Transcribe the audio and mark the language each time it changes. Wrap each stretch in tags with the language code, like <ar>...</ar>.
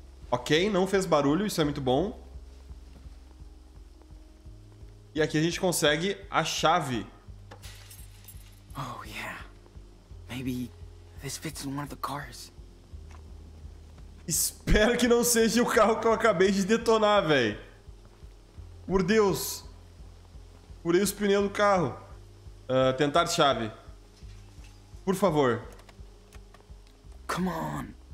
<pt>Ok, não fez barulho. Isso é muito bom. E aqui a gente consegue a chave.</pt> <en>Oh, yeah. Maybe this fits in one of the cars.</en> <pt>Espero que não seja o carro que eu acabei de detonar, velho. Por Deus. Furei os pneus do carro. Tentar chave. Por favor.</pt> <en>Come on.</en>